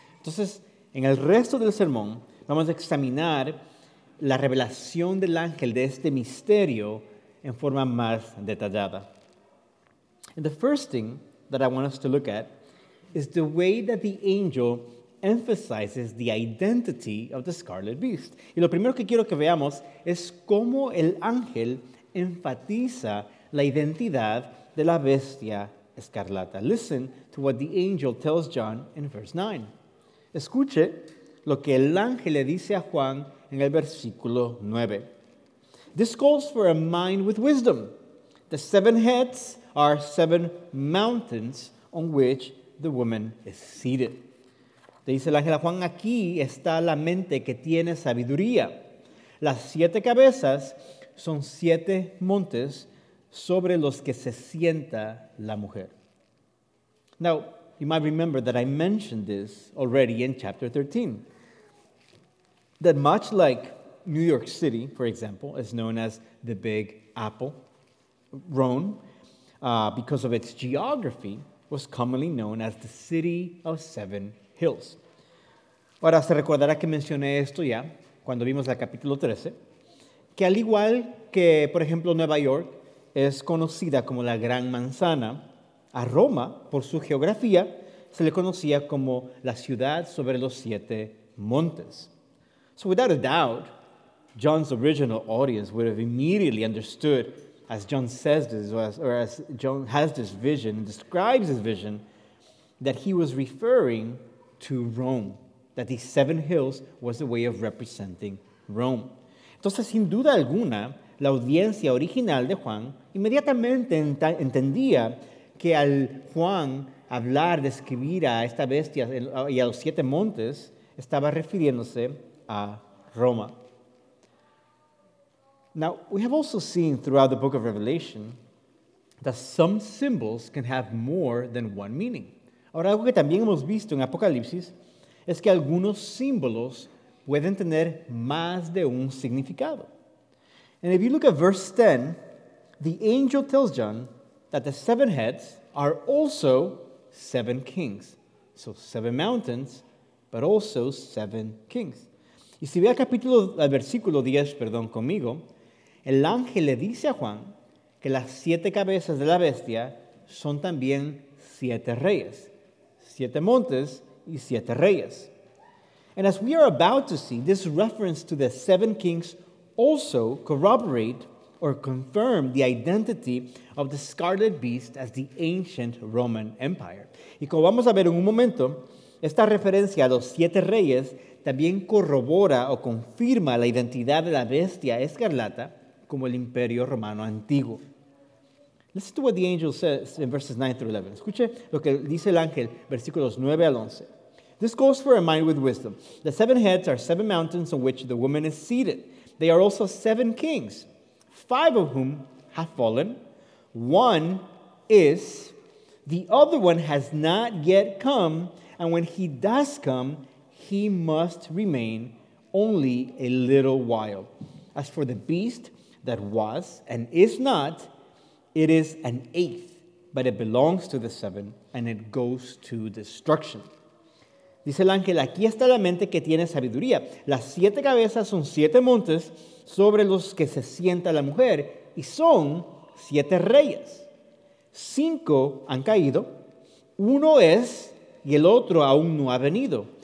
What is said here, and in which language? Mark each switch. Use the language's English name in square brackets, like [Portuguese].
[Spanish] Entonces, en el resto del sermón, vamos a examinar la revelación del ángel de este misterio en forma más detallada. [English] And the first thing that I want us to look at is the way that the angel emphasizes the identity of the scarlet beast. [Spanish] Y lo primero que quiero que veamos es cómo el ángel enfatiza la identidad de la bestia escarlata. [English] Listen to what the angel tells John in verse 9. [Spanish] Escuche lo que el ángel le dice a Juan en el versículo 9. [English] This calls for a mind with wisdom. The seven heads are seven mountains on which the woman is seated. [Spanish] Le dice el ángel a Juan, aquí está la mente que tiene sabiduría. Las siete cabezas son siete montes sobre los que se sienta la mujer. [English] Now, you might remember that I mentioned this already in chapter 13. That much like New York City, for example, is known as the Big Apple, Rome, because of its geography, was commonly known as the City of Seven Hills. [Spanish] Ahora, se recordará que mencioné esto ya, cuando vimos el capítulo 13, que al igual que, por ejemplo, Nueva York es conocida como la Gran Manzana, a Roma, por su geografía, se le conocía como la ciudad sobre los siete montes. [English] So without a doubt, John's original audience would have immediately understood as John says this, or as John has this vision, describes his vision, that he was referring to Rome, that the seven hills was a way of representing Rome. [Spanish] Entonces, sin duda alguna, la audiencia original de Juan inmediatamente entendía que al Juan hablar, describir a esta bestia y a los siete montes, estaba refiriéndose a Roma. [English] Now, we have also seen throughout the book of Revelation that some symbols can have more than one meaning. [Spanish] Ahora, algo que también hemos visto en Apocalipsis es que algunos símbolos pueden tener más de un significado. [English] And if you look at verse 10, the angel tells John that the seven heads are also seven kings. So seven mountains, but also seven kings. [Spanish] Y si ve al versículo 10, perdón, conmigo, el ángel le dice a Juan que las siete cabezas de la bestia son también siete reyes, siete montes y siete reyes. [English] And as we are about to see, this reference to the seven kings also corroborate or confirm the identity of the scarlet beast as the ancient Roman Empire. [Spanish] Y como vamos a ver en un momento, esta referencia a los siete reyes también corrobora o confirma la identidad de la bestia escarlata como el imperio romano antiguo. [English] Listen to what the angel says in verses 9 through 11. [Spanish] Escuche lo que dice el ángel, versículos 9 al 11. [English] This calls for a mind with wisdom. The seven heads are seven mountains on which the woman is seated. They are also seven kings, five of whom have fallen. One is, the other one has not yet come, and when he does come, he must remain only a little while. As for the beast that was and is not, it is an eighth, but it belongs to the seven, and it goes to destruction. [Spanish] Dice el ángel, aquí está la mente que tiene sabiduría. Las siete cabezas son siete montes sobre los que se sienta la mujer, y son siete reyes. Cinco han caído, uno es, y el otro aún no ha venido.